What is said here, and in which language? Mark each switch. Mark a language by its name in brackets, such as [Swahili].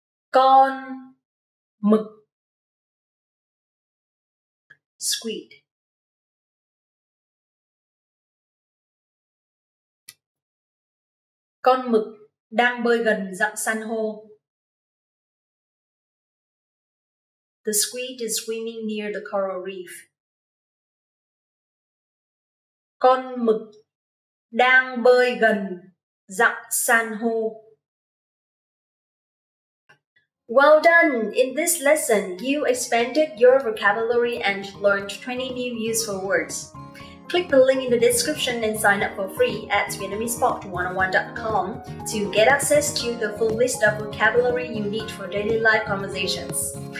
[Vietnamese] Con mực. [English] Squid. [Vietnamese] Con mực đang bơi gần rặng san hô. [English] The squid is swimming near the coral reef. [Vietnamese] Con mực đang bơi gần rặng san hô. [English] Well done! In this lesson, you expanded your vocabulary and learned 20 new useful words. Click the link in the description and sign up for free at VietnamesePod101.com to get access to the full list of vocabulary you need for daily life conversations.